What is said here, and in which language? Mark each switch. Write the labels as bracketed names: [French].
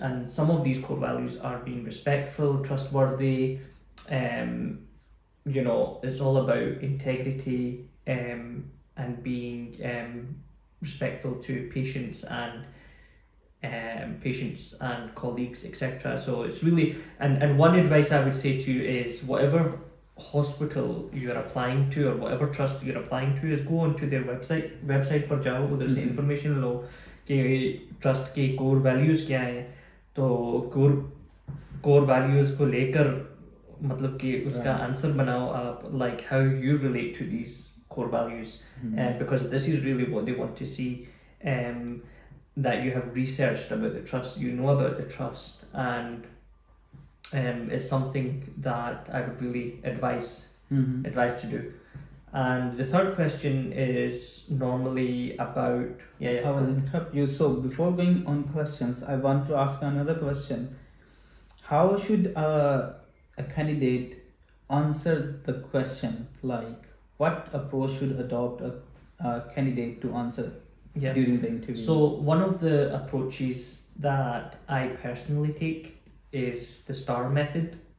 [English] And some of these core values are being respectful, trustworthy, you know, it's all about integrity and being respectful to patients and colleagues, etc. So it's really, and one advice I would say to you is, whatever hospital you're applying to or whatever trust you're applying to is, go onto their website [Hindi] par jao, [English] there's information [Hindi] lo ke trust ke core values kya hai. To core values ko lekar मतलब कि उसका answer बनाओ आप, [English] Like how you relate to these core values, because this is really what they want to see, that you have researched about the trust, you know about the trust, and is something that I would really advice to do. And the third question is normally about, yeah I will interrupt you, so before going on questions I want to ask another question. How should a candidate answer the question, like what approach should adopt a candidate to answer during the interview? So one of the approaches that I personally take is the star method.